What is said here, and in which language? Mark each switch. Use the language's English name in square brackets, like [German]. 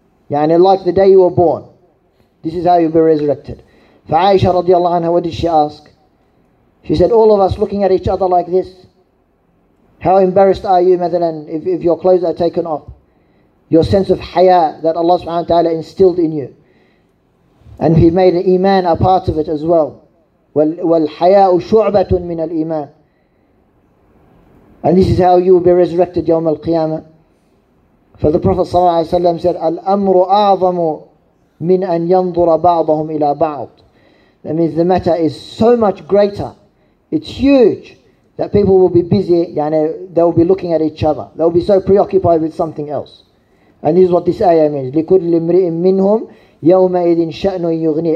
[Arabic] يعني [English] like the day you were born. This is how you'll be resurrected. [Arabic] فعائشة رضي الله عنها, [English] what did she ask? She said, all of us looking at each other like this. How embarrassed are you, [Arabic] مثلا, [English] if your clothes are taken off? Your sense of haya that Allah subhanahu wa ta'ala instilled in you. And he made an iman a part of it as well. [Arabic] والحياء شعبة من الإيمان. [English] And this is how you will be resurrected [Arabic] يوم القيامة. [English] For the Prophet [Arabic] صلى الله عليه وسلم said, الأمر أعظم من أن ينظر بعضهم إلى بعض. [English] That means the matter is so much greater. It's huge that people will be busy, [Arabic] يعني [English] they will be looking at each other. They will be so preoccupied with something else. And this is what this ayah means. [Arabic] لكل امرئ منهم يومئذ شأن يغني.